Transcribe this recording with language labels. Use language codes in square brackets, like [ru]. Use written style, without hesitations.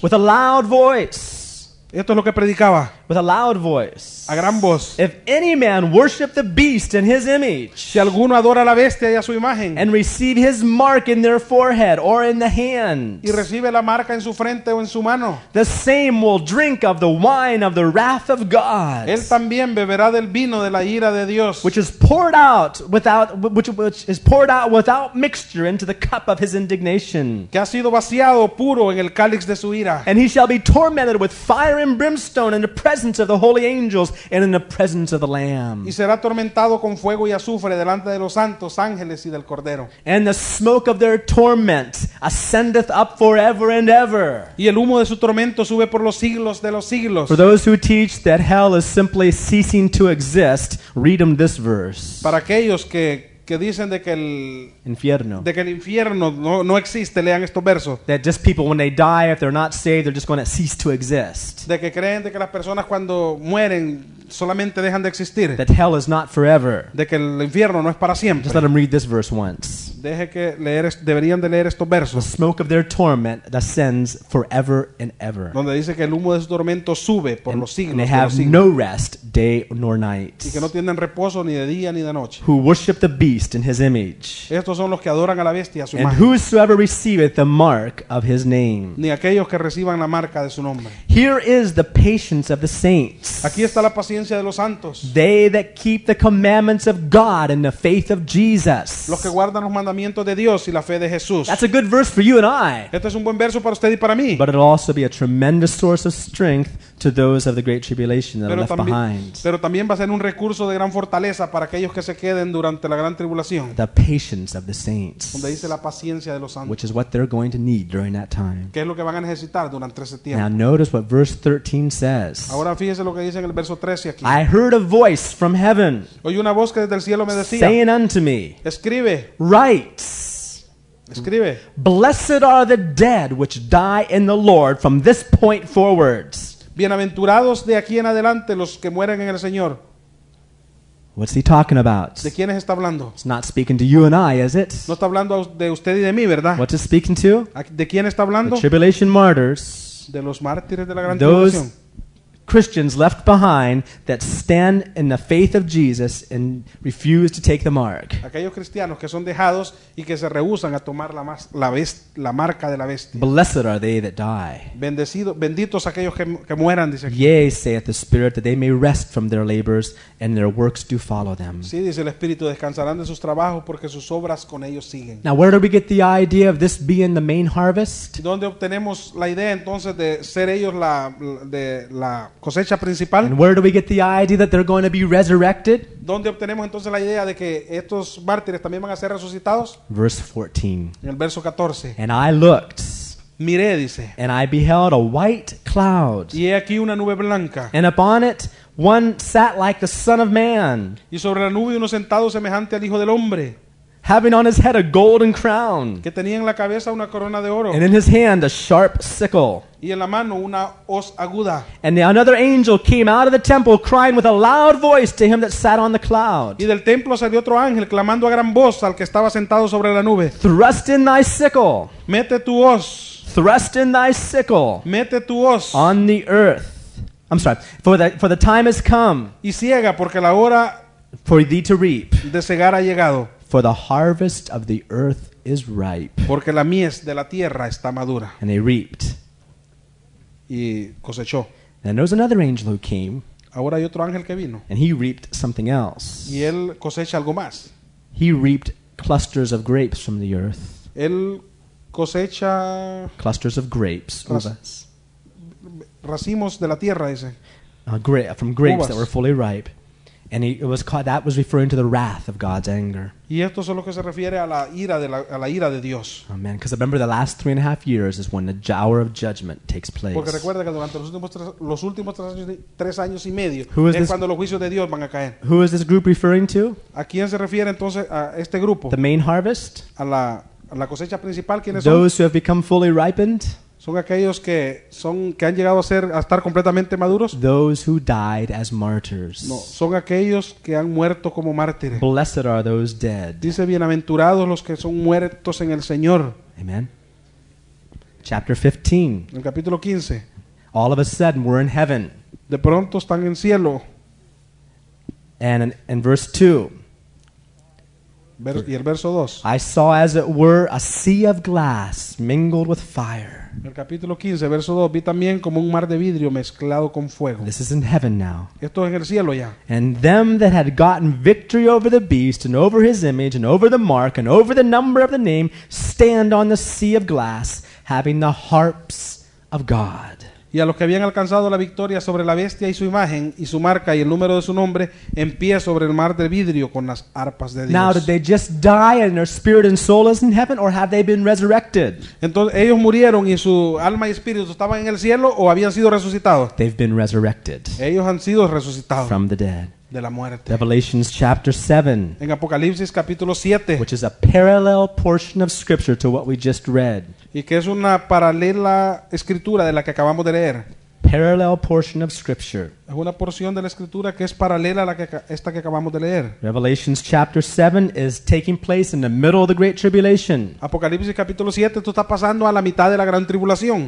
[en] With a loud voice. [es] Esto es lo que predicaba. [en] With a loud voice. [es] A gran voz. [en] If any man worship the beast in his image. [es] Si alguno adora a la bestia y a su imagen. [en] And receive his mark in their forehead or in the hand. [es] Y recibe la marca en su frente o en su mano. [en] The same will drink of the wine of the wrath of God. [es] Él también beberá del vino de la ira de Dios. [en] Which is poured out without which is poured out without mixture into the cup of his indignation. [es] Que ha sido vaciado puro en el cáliz de su ira. [en] And he shall be tormented with fire and brimstone in the presence of the holy angels and in the presence of the Lamb. [es] Y será atormentado con fuego y azufre delante de los santos ángeles y del cordero. [en] And the smoke of their torment ascendeth up forever and ever. [es] Y el humo de su tormento sube por los siglos de los siglos. [en] For those who teach that hell is simply ceasing to exist, read them this verse. [es] Para aquellos que dicen de que el infierno, de que el infierno no existe, lean estos versos. [en] That just people when they die, if they're not saved, they're just going to cease to exist. [es] De que creen de que las personas cuando mueren solamente dejan de existir. [en] That hell is not forever. [es] De que el infierno no es para siempre. [en] Just let them read this verse once. [es] Deje que leer, deberían de leer estos versos. [en] The smoke of their torment descends forever and ever. [es] Donde dice que el humo de su tormento sube por los siglos. [en] And they have no rest day nor night. [es] Y que no tienen reposo ni de día ni de noche. [en] Who worship the beast in his image. [es] Estos son los que adoran a la bestia, a su imagen. [en] And whosoever receiveth the mark of his name. [es] Ni aquellos que reciban la marca de su nombre. [en] Here is the patience of the saints. [es] Aquí está la paciencia de los santos. [en] They that keep the commandments of God in the faith of Jesus. [es] Los que guardan los mandamientos mandamientos de Dios y la fe de Jesús. [en] That's a good verse for you and I. [es] Este es un buen verso para usted y para mí. [en] But it'll also be a tremendous source of strength to those of the great tribulation that are left behind. [es] Pero también va a ser un recurso de gran fortaleza para aquellos que se queden durante la gran tribulación. [en] The patience of the saints. [es] Donde dice la paciencia de los santos. [en] Which is what they're going to need during that time. [es] Que es lo que van a necesitar durante ese tiempo. [en] Now notice what verse 13 says. [es] Ahora fíjese lo que dice en el verso 13 aquí. [en] I heard a voice from heaven. [es] Oí una voz que desde el cielo me decía. [en] Saying unto me. [es] Escribe. [en] Write. [es] Escribe. [en] Blessed are the dead which die in the Lord from this point forwards. [es] Bienaventurados de aquí en adelante los que mueren en el Señor. [en] What's he talking about? [es] ¿De quiénes está hablando? [en] It's not speaking to you and I, is it? [es] No está hablando de usted y de mí, ¿verdad? [en] What's he speaking to? [es] ¿De quién está hablando? [en] The tribulation martyrs. [es] De los mártires de la gran tribulación. [en] Those Christians left behind that stand in the faith of Jesus and refuse to take the mark. [es] Aquellos cristianos que son dejados y que se rehúsan a tomar la marca de la bestia. [en] Blessed are they that die. [es] Bendecidos, benditos aquellos que mueran, dice aquí. [en] Yea, saith the Spirit, that they may rest from their labors and their works do follow them. [es] Sí, dice el Espíritu, descansarán de sus trabajos porque sus obras con ellos siguen. [en] Now, where do we get the idea of this being the main harvest? [es] ¿Dónde obtenemos la idea entonces de ser ellos la de la cosecha principal? [en] And where do we get the idea that they're going to be resurrected? [es] ¿Dónde obtenemos entonces la idea de que estos mártires también van a ser resucitados? [en] Verse 14. [es] En el verso 14. [en] And I looked. [es] Miré, dice. [en] And I beheld a white cloud. [es] Y he aquí una nube blanca. [en] And upon it one sat like the Son of Man. [es] Y sobre la nube uno sentado semejante al Hijo del Hombre. [en] Having on his head a golden crown. [es] Que tenía en la cabeza una corona de oro. [en] And in his hand a sharp sickle. [es] Y en la mano una hoz aguda. [en] And another angel came out of the temple crying with a loud voice to him that sat on the cloud. [es] Y del templo salió otro ángel clamando a gran voz al que estaba sentado sobre la nube. [en] Thrust in thy sickle. [es] Mete tu hoz. [en] Thrust in thy sickle. [es] Mete tu hoz. [en] On the earth. I'm sorry. For the time has come. [es] Y siega porque la hora. [en] For thee to reap. [es] De segar ha llegado. [en] For the harvest of the earth is ripe. [es] Porque la mies de la tierra está madura. [en] And they reaped. [es] Y cosechó. [en] And there was another angel who came. [es] Ahora hay otro ángel que vino. [en] And he reaped something else. [es] Y él cosecha algo más. [en] He reaped clusters of grapes from the earth. [es] Él cosecha [en] clusters of grapes, uvas. [es] Racimos de la tierra, dice. [en] From grapes uvas. That were fully ripe. And it was called, that was referring to the wrath of God's anger. [es] Y esto es lo que se refiere a la ira de la ira de Dios. [en] Amen. Because remember, the last 3.5 years is when the hour of judgment takes place. [es] Porque recuerda que durante los últimos tres años y medio es cuando los juicios de Dios van a caer. [en] Who is this group referring to? [es] ¿A quién se refiere entonces a este grupo? [en] The main harvest. [es] A la cosecha principal. ¿Quiénes son? [en] Those who have become fully ripened. [es] Son aquellos que son que han llegado a estar completamente maduros. [en] Those who died as martyrs. [es] No, son aquellos que han muerto como mártires. [en] Blessed are those dead. [es] Dice bienaventurados los que son muertos en el Señor. [en] Amen. Chapter 15. [es] El capítulo 15. [en] All of a sudden we're in heaven. [es] De pronto están en cielo. [en] And in verse 2. [es] Y el verso 2. [en] I saw as it were a sea of glass mingled with fire. [es] El capítulo 15, verso 2, vi también como un mar de vidrio mezclado con fuego. [en] This is in heaven now. [es] Esto es en el cielo ya. [en] And them that had gotten victory over the beast and over his image and over the mark and over the number of the name stand on the sea of glass having the harps of God. [es] Y a los que habían alcanzado la victoria sobre la bestia y su imagen y su marca y el número de su nombre en pie sobre el mar de vidrio con las arpas de Dios. [en] Now, did they just die and their spirit and soul is in heaven or have they been resurrected? [es] Entonces, ¿ellos murieron y su alma y espíritu estaban en el cielo o habían sido resucitados? [en] They've been resurrected. [es] Ellos han sido resucitados. [en] From the dead. [es] De la muerte. [en] Revelation chapter 7. [es] En Apocalipsis capítulo 7. [en] Which is a parallel portion of scripture to what we just read. [es] Y que es una paralela escritura de la que acabamos de leer. [en] Parallel portion of scripture. [es] Es una porción de la escritura que es paralela a esta que acabamos de leer. [en] Revelation chapter 7 is taking place in the middle of the great tribulation. [es] Apocalipsis capítulo 7, esto está pasando a la mitad de la gran tribulación.